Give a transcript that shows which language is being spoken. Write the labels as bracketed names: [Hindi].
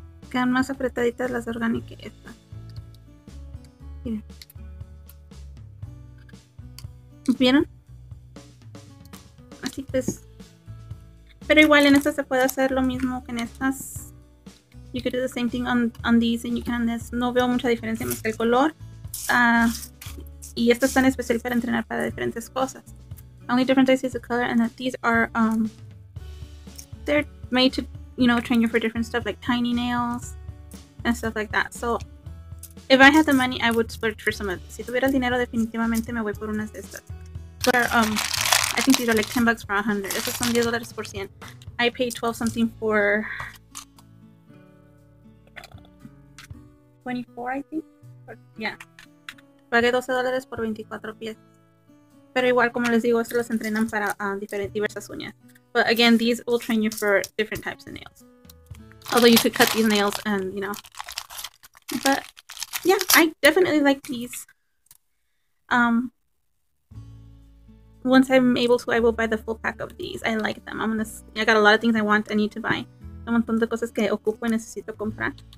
[Spanish] Quedan más apretaditas las de organic que estas. Miren. ¿Vieron? Así pues. Pero igual en estas se puede hacer lo mismo que en estas. [English] You could do the same thing on these and you can on this. [Spanish] No veo mucha diferencia más que el color. Y esta es tan especial para entrenar para diferentes cosas. [English] Only difference I see is the color and that these are, they're made to, you know, train you for different stuff like tiny nails and stuff like that. So, if I had the money, I would splurge for some of these. [Spanish] Si tuviera el dinero, definitivamente me voy por unas de estas. [English] But, I think these are like 10 bucks for 100. [Spanish] Estos son $10 por 100. [English] I paid 12 something for 24, I think. Or, yeah. [Spanish] Pagué $12 por 24 piezas. Pero igual, como les digo, estos los entrenan para diversas uñas. [English] But again, these will train you for different types of nails. Although you could cut these nails and, you know. But, yeah, I definitely like these. Once I'm able to, I will buy the full pack of these. I like them. I got a lot of things I want, I need to buy. [Spanish] Un montón de cosas que ocupo y necesito comprar.